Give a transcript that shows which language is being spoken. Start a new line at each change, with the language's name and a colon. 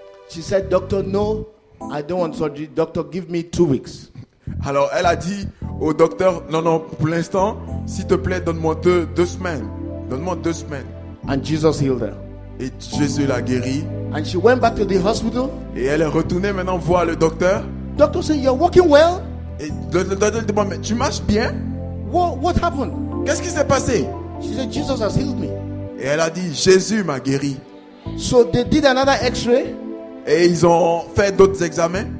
English: She said, doctor, no, I don't want surgery. Doctor, give me 2 weeks.
French: Alors, elle a dit au docteur, non, pour l'instant, s'il te plaît, donne-moi deux semaines. Donne-moi 2 semaines.
English: And Jesus healed her.
French: Et Jésus l'a guéri.
English: And she went back to the hospital.
French: Et elle est retournée maintenant voir le docteur.
English: Doctor said, you're walking well.
French: Et le docteur dit, mais tu marches bien?
English: What happened?
French: Qu'est-ce qui s'est passé?
English: She said, Jesus has healed me.
French: Et elle a dit, Jésus m'a guéri.
English: So they did another x-ray.
French: Et ils ont fait d'autres examens.